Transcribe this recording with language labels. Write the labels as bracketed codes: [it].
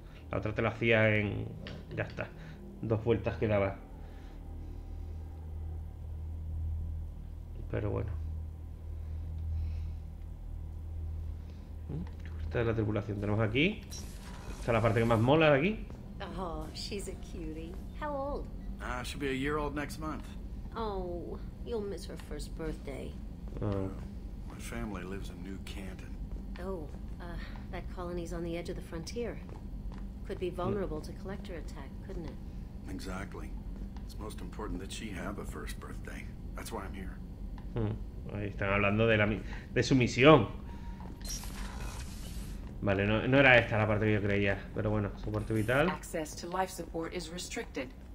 [es] La otra te la hacía en... Ya está. Dos vueltas que daba. Pero bueno. Esta es la tripulación. Tenemos aquí. Esta es la parte que más mola de aquí. [en] Oh, she's a cutie. How old? Ah, she'll be a year old next month. Oh, you'll miss her first birthday. My family lives in New Canton. Oh, that colony's on the edge of the frontier. Could be vulnerable to collector attack, couldn't it? Exactly. It's most important that she have a first birthday. That's why I'm here. [es] Ahí están hablando de la de su misión. Vale, no, no era esta la parte que yo creía, pero bueno, soporte vital. [en] Access to life support is restricted.